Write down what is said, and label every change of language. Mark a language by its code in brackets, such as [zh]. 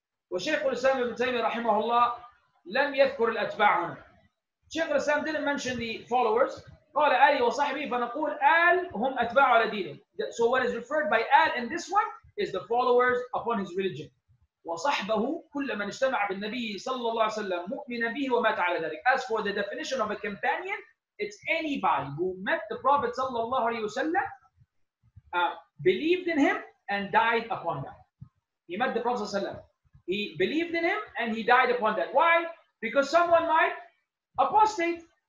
[ar] وشيخ الإسلام ابن تيمية رحمه الله لم يذكر الأتباع هنا. [en] شيخ الإسلام didn't mention the followers. [ar] قال آلي وصحبي فنقول آل هم أتباع على دينه. [en] So what is referred by آل in this one is the followers upon his religion. [ar] وصحبه كل من اجتمع بالنبي صلى الله عليه وسلم مؤمنا به ومات على ذلك. [en] As for the definition of a companion, it's anybody who met the Prophet صلى الله عليه وسلم, believed in him and died upon that. He met the Prophet صلى الله عليه وسلم. He believed in him and he died upon that. Why? Because someone might apostate.